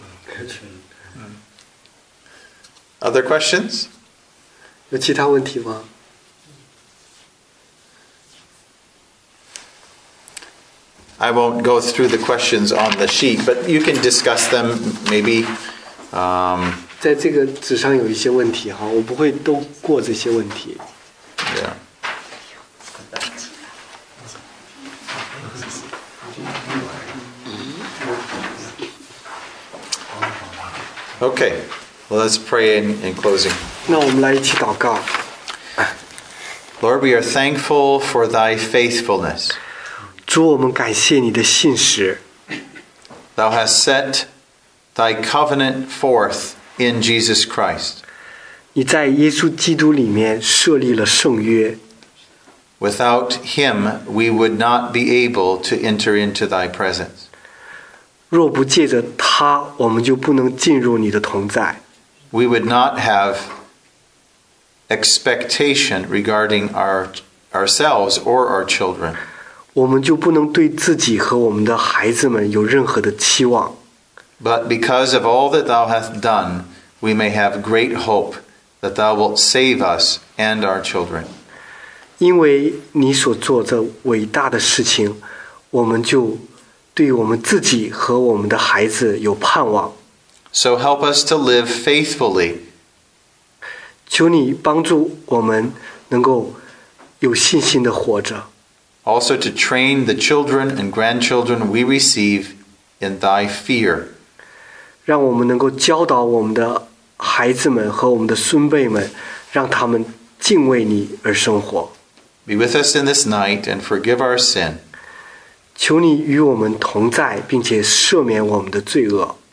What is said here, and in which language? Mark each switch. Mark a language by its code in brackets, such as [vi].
[en] Yeah, okay. Other questions? [zh] 有其他问题吗？ [en] I won't go through the questions on the sheet, but you can discuss them maybe. [zh] 在这个纸上有一些问题哈，我不会都过这些问题。 [en] Yeah. Okay, well, let's pray in closing. [zh] 那我们来一起祷告。 [en] Lord, we are thankful for thy faithfulness. [zh] 主，我们感谢你的信实。 [en] Thou hast set thy covenant forth in Jesus Christ. [zh] 你在耶稣基督里面设立了圣约。 [en] Without him, we would not be able to enter into thy presence. [zh] 若不借着他，我们就不能进入你的同在。 [en] We would not have expectation regarding ourselves or our children. [zh] 我们就不能对自己和我们的孩子们有任何的期望。 [en] But because of all that thou hast done, we may have great hope that thou wilt save us and our children. [zh] 因为你所做的伟大的事情，我们就对我们自己和我们的孩子有盼望。 [en] So help us to live faithfully. [zh] 求你帮助我们能够有信心地活着。 [en] Also to train the children and grandchildren we receive in thy fear. [zh] 让我们能够教导我们的孩子们和我们的孙辈们，让他们敬畏你而生活。 [en] Be with us in this night and forgive our sin. [zh] 求你与我们同在，并且赦免我们的罪恶。